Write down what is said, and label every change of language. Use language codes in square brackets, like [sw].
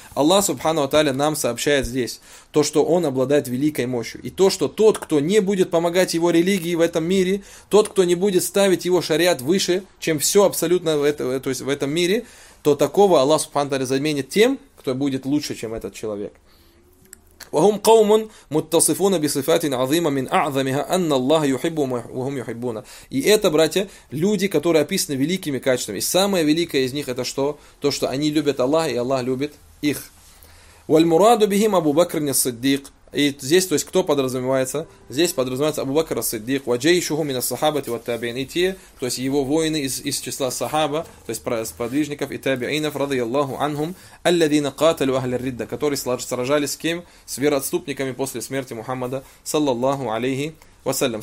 [ru] Аллах Субхану Тааля нам сообщает здесь то, что он обладает великой мощью. И то, что тот, кто не будет помогать его религии в этом мире, тот, кто не будет ставить его шариат выше, чем все абсолютно в этом мире, то такого Аллах Субхану Тааля заменит тем, кто будет лучше, чем этот человек. [ar] وهم قوم متصفون بصفات عظيمة من أعظمها أن الله يحبهم وهم يحبون. [ru] И это, братья, люди, которые описаны великими качествами. И самое великое из них это что? То, что они любят Аллаха, и Аллах любит их. [ar] والمراد بهم أبو بكر الصديق. [ru] И здесь, то есть, кто подразумевается? Здесь подразумевается Абу Бакр ас-Сиддик, [ar] ва джейшуху мин ас-сахабати ват-табиин. [ru] И те, то есть, его воины из числа сахаба, то есть, сподвижников и табиинов, радийаллаху анхум, [ar] алладина каталю ахля ар-ридда, [ru] которые сражались с кем? С вероотступниками после смерти Мухаммада, саллаллаху алейхи вассалям.